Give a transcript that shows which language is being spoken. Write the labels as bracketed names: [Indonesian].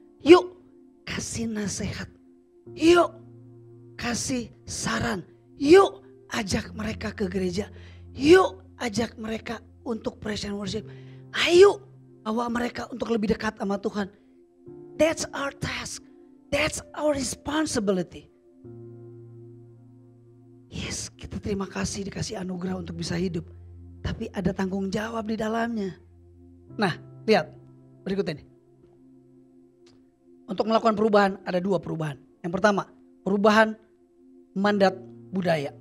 [Indonesian] Yuk, kasih nasihat. Yuk, kasih saran. Yuk, ajak mereka ke gereja. Yuk, ajak mereka untuk praise and worship. Ayo bawa mereka untuk lebih dekat sama Tuhan. [English] That's our task. That's our responsibility. [Indonesian] Yes, kita terima kasih dikasih anugerah untuk bisa hidup. Tapi ada tanggung jawab di dalamnya. Nah, lihat berikutnya nih. Untuk melakukan perubahan, ada dua perubahan. Yang pertama, perubahan mandat budaya.